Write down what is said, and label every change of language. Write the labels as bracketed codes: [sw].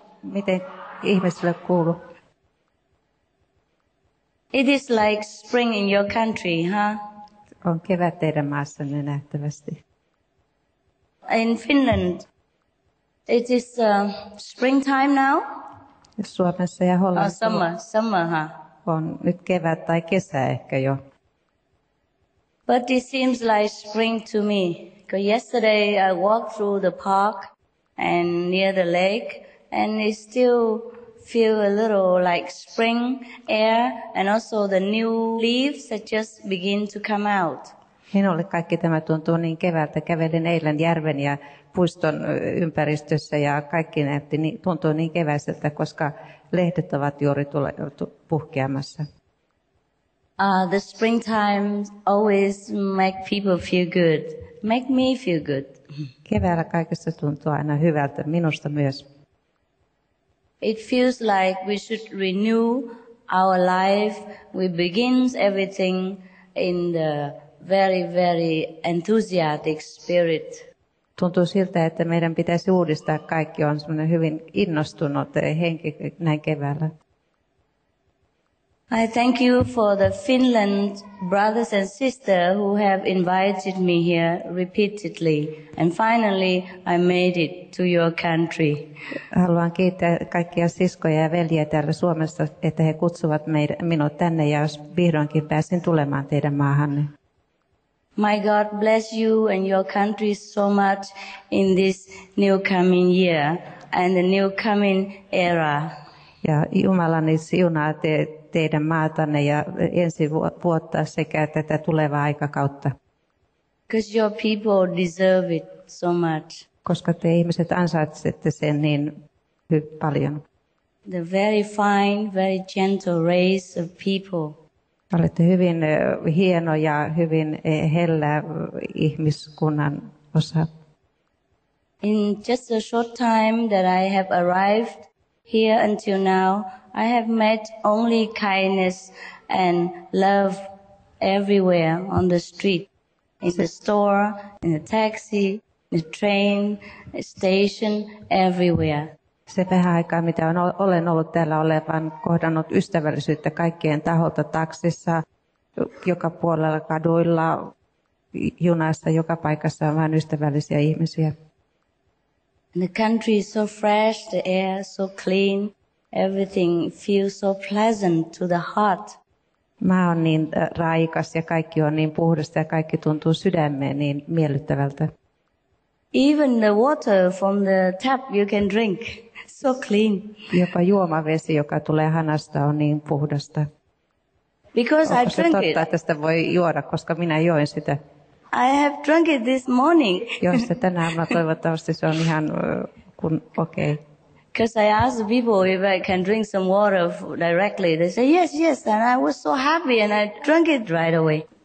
[fi] Miten ihmisille kuuluu? [en] It is like spring in your country, huh? [fi] On kevät teidän maassanne nähtävästi. [en] In Finland, it is springtime now? [fi] Suomessa ja Hollannissa. [en] Summer, huh? [fi] On nyt kevät tai kesä ehkä jo. [en] But it seems like spring to me. Because yesterday I walked through the park and near the lake, and it still feel a little like spring air, and also the new leaves that just begin to come out. [fi] Minulle kaikki tämä tuntuu niin keväältä. Kävelin eilen järven ja puiston ympäristössä ja kaikki näytti niin, tuntui niin keväiseltä, koska lehdet ovat juuri puhkeamassa. [en] The springtime always make people feel good. Make me feel good. [fi] Keväällä kaikesta tuntuu aina hyvältä, minusta myös. [en] It feels like we should renew our life. We begin everything in the very, very enthusiastic spirit. [fi] Tuntuu siltä, että meidän pitäisi uudistaa kaikki. On semmoinen hyvin innostunut henki näin keväällä. [en] I thank you for the Finland brothers and sisters who have invited me here repeatedly. And finally, I made it to your country. [fi] Haluan kiittää kaikkia siskoja ja veljiä täällä Suomessa, että he kutsuvat minut tänne ja jos vihdoinkin pääsin tulemaan teidän maahanne. [en] My God bless you and your country so much in this new coming year and the new coming era. [fi] Ja Jumalani siunaa teidän maatanne ja ensi vuotta sekä tätä tulevaa aikakautta. [en] Because your people deserve it so much. [fi] Koska te ihmiset ansaitsette sen niin paljon. [en] The very fine, very gentle race of people. [fi] Olette hyvin hieno ja hyvin hellä ihmiskunnan osa. [en] In just a short time that I have arrived here until now, I have met only kindness and love everywhere on the street, in the store, in the taxi, in the train, the station, everywhere. [fi] Se vähän aikaa, mitä olen ollut täällä olevan, kohdannut ystävällisyyttä kaikkien taholta taksissa, joka puolella kaduilla, junassa, joka paikassa on vain ystävällisiä ihmisiä. [en] The country is so fresh, the air so clean, everything feels so pleasant to the heart. [fi] Maa on niin raikas ja kaikki on niin puhdasta ja kaikki tuntuu sydämeen niin miellyttävältä. [en] Even the water from the tap you can drink. So clean. [fi] Jopa juomavesi, joka tulee hanasta, on niin puhdasta. [en] Because [fi] onko [en] I drank [fi] totta, [en] it. [fi] Että sitä voi juoda, koska minä join sitä. [en] I have drunk it this morning. [fi] Jos se tänä aamuna toivottavasti se on ihan kun okei. [en] Okay. Because I asked people if I can drink some water directly. They say yes, yes, and I was so happy and I drank it right away.